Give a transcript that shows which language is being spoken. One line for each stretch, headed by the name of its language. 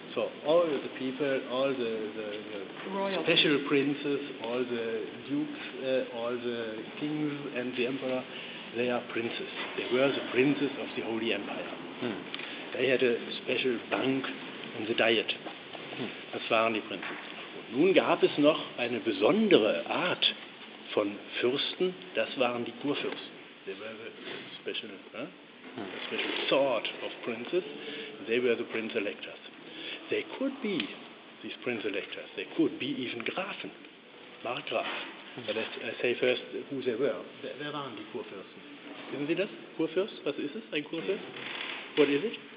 English: So all the people, all the royal special princes, all the dukes, all the kings and the emperor, they are princes. They were the princes of the Holy Empire. Hmm. They had a special bank in the diet. Hmm.
German: Das waren die Prinzen. Und nun gab es noch eine besondere Art von Fürsten. Das waren die Kurfürsten.
English: They were the special, a special sort of princes. They were the prince electors. They could be, these prince electors, they could be even Grafen, Markgraf. But let's say first who they were.
German: Wer waren die Kurfürsten? Wissen Sie das? Kurfürst? Was ist es? Ein Kurfürst?
English: What is it?